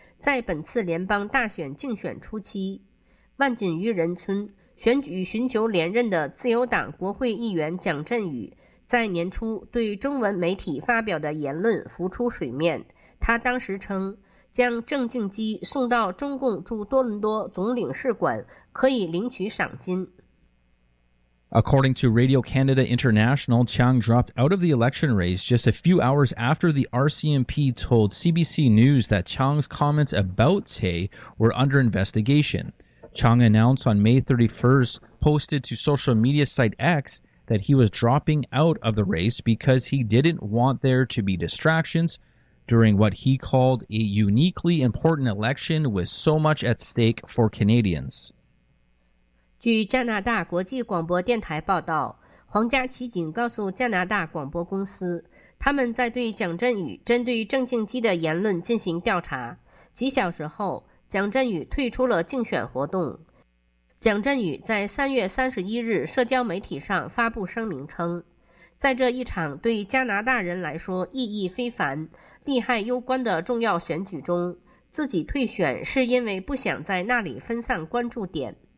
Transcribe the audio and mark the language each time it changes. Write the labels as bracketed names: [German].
[Chinese] 在本次联邦大选竞选初期，万锦渔人村选举寻求连任的自由党国会议员蒋振宇在年初对中文媒体发表的言论浮出水面，他当时称将郑静基送到中共驻多伦多总领事馆可以领取赏金。 [English] According to Radio Canada International, Chiang dropped out of the election race just a few hours after the RCMP told CBC News that Chiang's comments about Tay were under investigation. Chiang announced on May 31st, posted to social media site X, that he was dropping out of the race because he didn't want there to be distractions during what he called a uniquely important election with so much at stake for Canadians. [Chinese] 据加拿大国际广播电台报道，皇家骑警告诉加拿大广播公司，他们在对蒋振宇针对郑静基的言论进行调查。几小时后，蒋振宇退出了竞选活动。蒋振宇在3月31日社交媒体上发布声明称，在这一场对加拿大人来说意义非凡、利害攸关的重要选举中，自己退选是因为不想在那里分散关注点。